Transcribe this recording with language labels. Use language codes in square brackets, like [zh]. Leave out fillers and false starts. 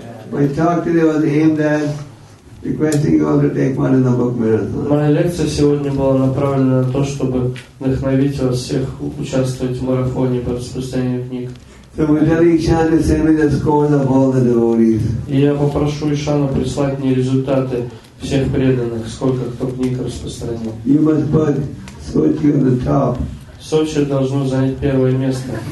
[en] My talk today was aimed at requesting you all to take part in the book marathon. [ru] Моя лекция сегодня была направлена на то, чтобы вдохновить вас всех участвовать в марафоне по распространению книг. [en] So we tell Ishan to send me the scores of all the devotees. [ru] И я попрошу Ишана прислать мне результаты всех преданных, сколько кто книг распространил. [en] You must put Sochi on the top. [ru] Сочи должно занять первое место.